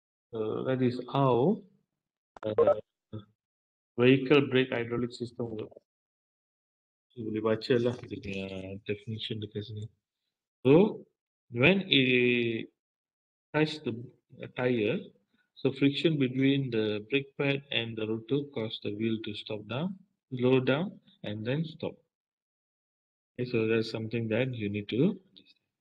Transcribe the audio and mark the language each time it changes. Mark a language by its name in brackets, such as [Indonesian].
[English] So that is how vehicle brake hydraulic system works. [Malay] So boleh baca lah dengan definition dekat sini. [English] So when it touch the tire, so friction between the brake pad and the rotor cause the wheel to stop down, slow down, and then stop. Okay, so that's something that you need to understand.